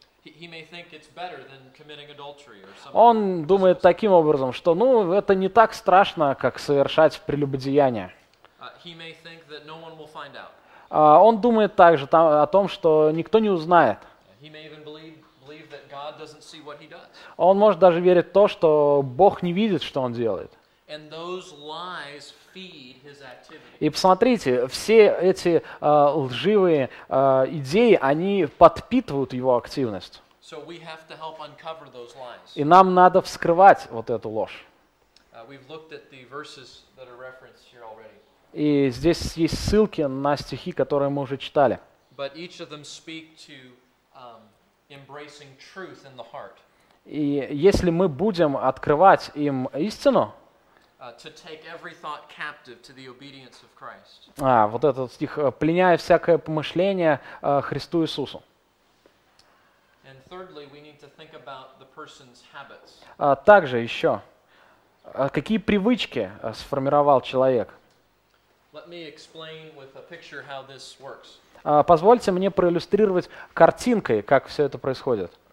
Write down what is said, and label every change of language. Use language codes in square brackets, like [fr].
[en] He may think it's better than committing adultery or something. [ru] Он думает таким образом, что, ну, это не так страшно, как совершать прелюбодеяние. [en] He may think that no one will find out. [ru] Он думает также о том, что никто не узнает. [en] He may even believe that God doesn't see what he does. [ru] Он может даже верить в то, что Бог не видит, что он делает. [en] And those lies feed his activity. [ru] И посмотрите, все эти лживые идеи, они подпитывают его активность. [en] So we have to help uncover those lies. [ru] И нам надо вскрывать вот эту ложь. [en] We've looked at the verses that are referenced here already. [ru] И здесь есть ссылки на стихи, которые мы уже читали. [en] But each of them speak to embracing truth in the heart. [ru] И если мы будем открывать им истину, [en] to take every thought captive to the obedience of Christ. [ru] А, вот этот стих, пленяя всякое помышление Христу Иисусу. [en] And thirdly, we need to think about the person's habits. [ru] Также еще, какие привычки сформировал человек? [en] Let me explain with a picture how this works. [ru] Позвольте мне проиллюстрировать картинкой, как все это происходит.